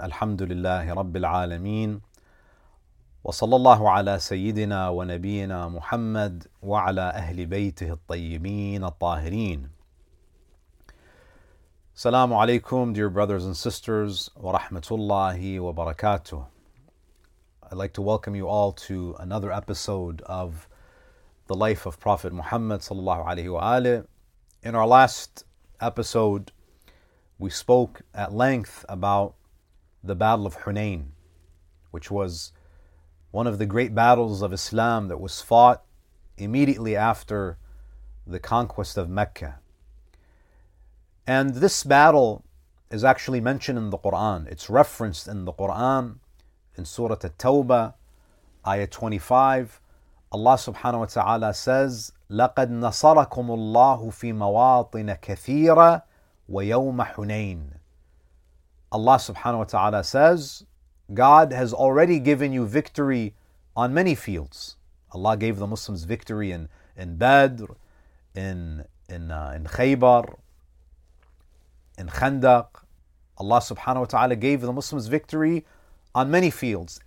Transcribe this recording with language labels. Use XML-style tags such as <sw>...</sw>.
<ar>الحمد لله رب العالمين، وصلى الله على سيدنا ونبينا محمد وعلى أهل بيته الطيبين الطاهرين. السلام عليكم</ar> <en>dear brothers and sisters</en> <ar>ورحمة الله وبركاته.</ar> <en>I'd like to welcome you all to another episode of The Life of Prophet Muhammad</en> <ar>صلى الله عليه وآله.</ar> <en>In our last episode, we spoke at length about the Battle of Hunain, which was one of the great battles of Islam that was fought immediately after the conquest of Mecca. And this battle is actually mentioned in the Quran. It's referenced in the Quran, in Surah At-Tawbah, Ayah 25. Allah subhanahu wa ta'ala says,</en> <ar>لَقَدْ نَصَرَكُمُ اللَّهُ فِي مَوَاطِنَ كَثِيرًا وَيَوْمَ حُنَيْنَ.</ar> <en>Allah subhanahu wa ta'ala says, God has already given you victory on many fields. Allah gave the Muslims victory in Badr, in Khaybar, in Khandaq. Allah subhanahu wa ta'ala gave the Muslims victory on many fields.</en>